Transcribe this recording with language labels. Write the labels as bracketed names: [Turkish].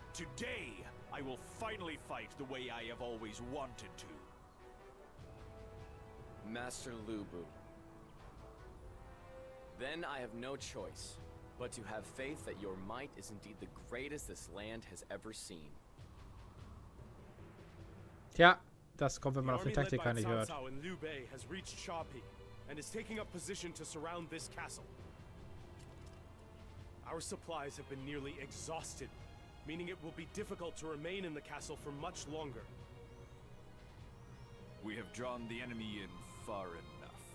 [English] Today, I will finally fight the way I have always wanted to. Master Lu Bu. Then I have no choice but to have faith that your might is indeed the greatest this land has ever seen. [German] Tja, das kommt, wenn man auf den Taktiker nicht hört. [English] Cao and Liu Bei has reached Sha Pi and is taking up position to surround this castle. Our supplies have been nearly exhausted, meaning it will be difficult to remain in the castle for much longer. We have drawn the enemy in far enough.